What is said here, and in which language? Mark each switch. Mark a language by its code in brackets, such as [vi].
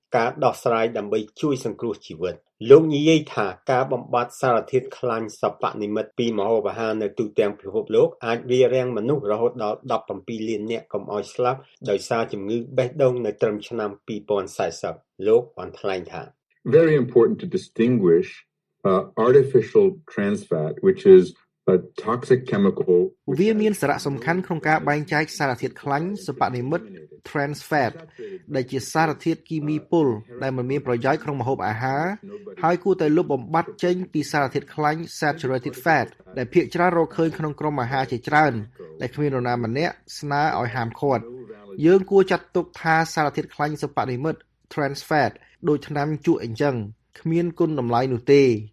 [km] ការដោះស្រាយដើម្បីជួយសង្គ្រោះជីវិតលោកនិយាយថាការបំបត្តិសារធាតុខ្លាញ់សពនិមិត្តពីមហោបាហានៅទូទាំងពិភពលោកអាចរារាំងមនុស្សរហូតដល់17លាននាក់កុំឲ្យស្លាប់ដោយសារជំងឺបេះដូងនៅត្រឹមឆ្នាំ2040លោកបានថ្លែងថា [en] Very important to distinguish artificial trans fat which is a toxic chemical [km] វាមានសារៈសំខាន់ក្នុងការបែងចែកសារធាតុខ្លាញ់សពនិមិត្ត trans fat ដែលជាសារធាតុគីមីពុលដែលមានប្រយោជន៍ក្នុងម្ហូបអាហារហើយគួរតែលុបបំបាត់ចេញពីសារធាតុខ្លាញ់ saturated fat ដែលភាគច្រើនរកឃើញក្នុងក្រុមអាហារជាច្រើនដែលគ្មាននរណាម្នាក់ស្នើឲ្យហាមឃាត់យើងគួរចាត់ទុកថាសារធាតុខ្លាញ់សពនិមិត្ត trans fat ដូចថ្នាំជក់អញ្ចឹងគ្មានគុណតម្លៃនោះទេ